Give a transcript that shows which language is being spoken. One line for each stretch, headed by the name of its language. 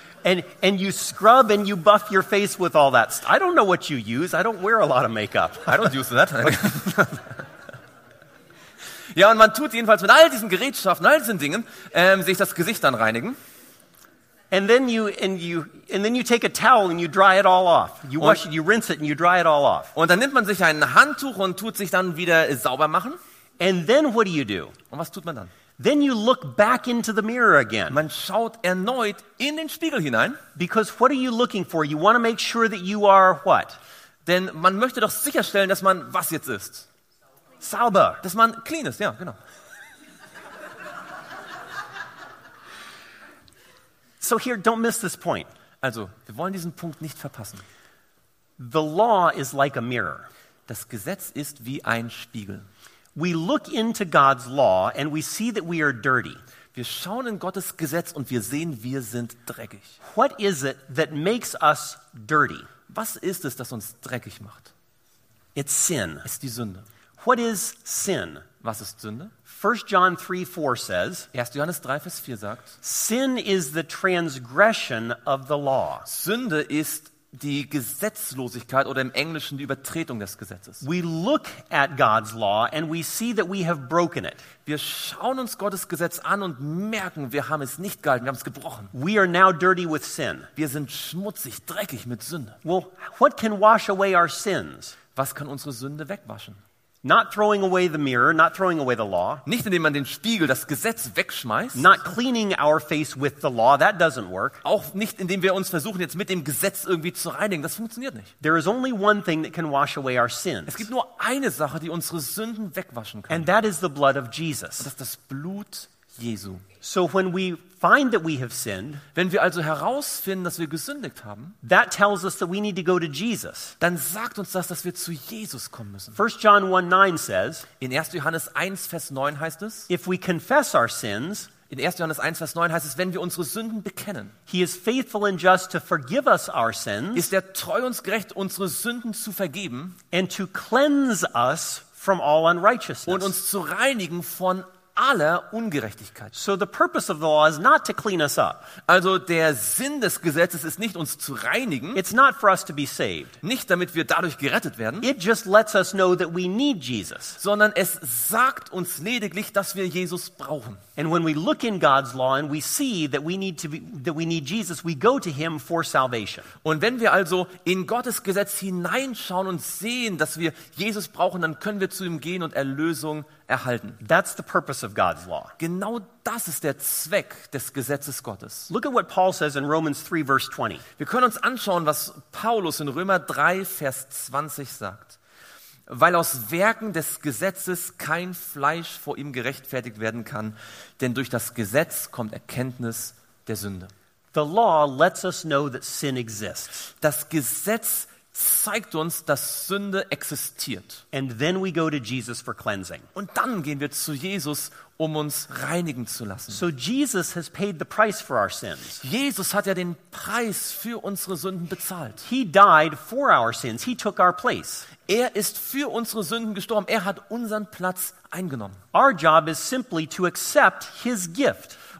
English: And you scrub and you buff your face with all that. I don't know what you use. I don't wear a lot of makeup. I don't use that.
German: Ja, und man tut jedenfalls mit all diesen Gerätschaften, all diesen Dingen, sich das Gesicht dann reinigen.
English: And then you take a towel and you dry it all off. You wash it, you rinse it and you dry it all off.
German: Und dann nimmt man sich ein Handtuch und tut sich dann wieder sauber machen.
English: And then what do you do?
German: Und was tut man dann?
English: Then you look back into the mirror again.
German: Man schaut erneut in den Spiegel hinein.
English: Because what are you looking for? You want to make sure that you are what?
German: Denn man möchte doch sicherstellen, dass man was jetzt ist. Sauber. Dass man clean ist, ja, genau.
English: So here, don't miss this point.
German: Also, wir wollen diesen Punkt nicht verpassen.
English: The law is like a mirror.
German: Das Gesetz ist wie ein Spiegel.
English: We look into God's law and we see that we are dirty.
German: Wir schauen in Gottes Gesetz und wir sehen, wir sind dreckig.
English: What is it that makes us dirty?
German: Was ist es, das uns dreckig macht?
English: It's sin.
German: Es ist die Sünde.
English: What is sin?
German: Was ist Sünde?
English: 1 John 3:4 says,
German: 1. Johannes 3, Vers 4 sagt,
English: sin is the transgression of the law.
German: Sünde ist die Gesetzlosigkeit oder im Englischen die Übertretung des Gesetzes.
English: We look at God's law and we see that we have broken it.
German: Wir schauen uns Gottes Gesetz an und merken, wir haben es nicht gehalten, wir haben es gebrochen.
English: We are now dirty with sin.
German: Wir sind schmutzig, dreckig mit Sünde.
English: Well, what can wash away our sins?
German: Was kann unsere Sünde wegwaschen?
English: Not throwing away the mirror, not throwing away the law.
German: Nicht indem man den Spiegel, das Gesetz wegschmeißt.
English: Not cleaning our face with the law, that doesn't work.
German: Auch nicht indem wir uns versuchen jetzt mit dem Gesetz irgendwie zu reinigen, das funktioniert nicht.
English: There is only one thing that can wash away our sins.
German: Es gibt nur eine Sache, die unsere Sünden wegwaschen kann.
English: And that is the blood of Jesus.
German: Und das ist das Blut Jesu.
English: So when we find that we have sinned,
German: wenn wir also herausfinden, dass wir gesündigt haben,
English: that tells us that we need to go to Jesus.
German: Dann sagt uns das, dass wir zu Jesus kommen müssen.
English: 1 John 1:9 says,
German: in 1. Johannes 1 Vers 9 heißt es,
English: if we confess our sins,
German: in 1. Johannes 1 Vers 9 heißt es, wenn wir unsere Sünden bekennen,
English: he is faithful and just to forgive us our sins,
German: ist er treu und gerecht, unsere Sünden zu vergeben,
English: and to cleanse us from all unrighteousness,
German: und uns zu reinigen von alle Ungerechtigkeit.
English: So the purpose of the law is not to clean us up.
German: Also der Sinn des Gesetzes ist nicht uns zu reinigen.
English: It's not for us to be saved.
German: Nicht damit wir dadurch gerettet werden.
English: It just lets us know that we need Jesus.
German: Sondern es sagt uns lediglich, dass wir Jesus brauchen.
English: And when we look in God's law and we see that we need to be, that we need Jesus, we go to him for salvation.
German: Und wenn wir also in Gottes Gesetz hineinschauen und sehen, dass wir Jesus brauchen, dann können wir zu ihm gehen und Erlösung erhalten.
English: That's the purpose of God's law.
German: Genau das ist der Zweck des Gesetzes Gottes.
English: Look at what Paul says in Romans 3 verse 20.
German: Wir können uns anschauen, was Paulus in Römer 3 Vers 20 sagt. Weil aus Werken des Gesetzes kein Fleisch vor ihm gerechtfertigt werden kann, denn durch das Gesetz kommt Erkenntnis der Sünde.
English: The law lets us know that sin exists.
German: Das Gesetz zeigt uns, dass Sünde existiert.
English: And then we go to Jesus for cleansing.
German: Und dann gehen wir zu Jesus, um uns reinigen zu lassen.
English: So Jesus has paid the price for our sins.
German: Jesus hat ja den Preis für unsere Sünden bezahlt.
English: He died for our sins. He took our place.
German: Er ist für unsere Sünden gestorben. Er hat unseren Platz eingenommen.
English: Our job is simply to accept his gift.